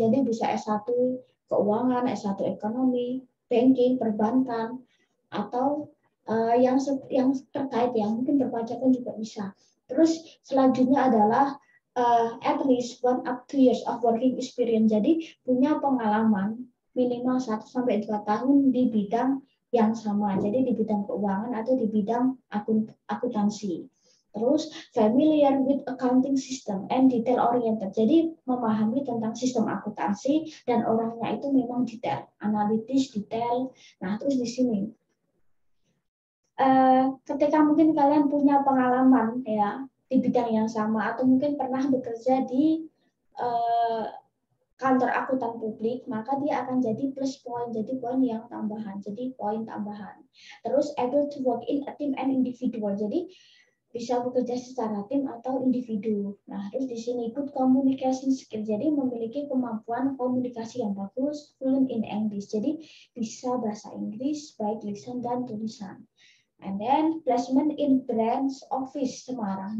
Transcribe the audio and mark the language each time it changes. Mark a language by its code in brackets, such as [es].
[id] Jadi bisa S1 keuangan, S1 ekonomi, banking, perbankan, atau yang terkait ya, mungkin perpajakan juga bisa. Terus selanjutnya adalah [en] at least 1 up to 2 years of working experience. [id] Jadi punya pengalaman minimal 1-2 tahun di bidang yang sama. Jadi di bidang keuangan atau di bidang akuntansi. Terus [en] familiar with accounting system and detail oriented. [id] Jadi memahami tentang sistem akuntansi dan orangnya itu memang detail, analitis, detail. Nah, terus di sini ketika mungkin kalian punya pengalaman ya di bidang yang sama atau mungkin pernah bekerja di kantor akuntan publik, maka dia akan jadi plus poin, jadi poin yang tambahan, jadi poin tambahan. Terus [en] able to work in a team and individual. [id] Jadi bisa bekerja secara tim atau individu. Nah, terus di sini [en] good communication skill. [id] Jadi memiliki kemampuan komunikasi yang bagus, [en] fluent in English. [id] Jadi bisa bahasa Inggris baik lisan dan tulisan. [en] And then placement in branch office Semarang.